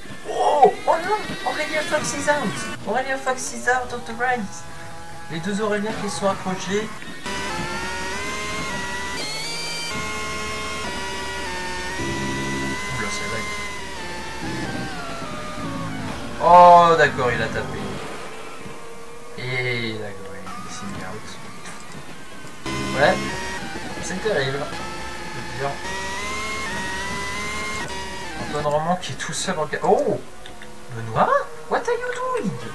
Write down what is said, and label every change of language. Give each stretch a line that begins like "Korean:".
English: Oh,
French: oh non,
English: Aurélien Fox is out. Aurélien Fox is out of the race.
French: Les deux Auréliens qui sont accrochés. Oh d'accord, il a tapé. Et d'accord, il s'est mis out. Ouais, c'est terrible. Je veux dire. Antoine Roman qui est tout seul en cas.
English: Oh Benoît, what are you doing?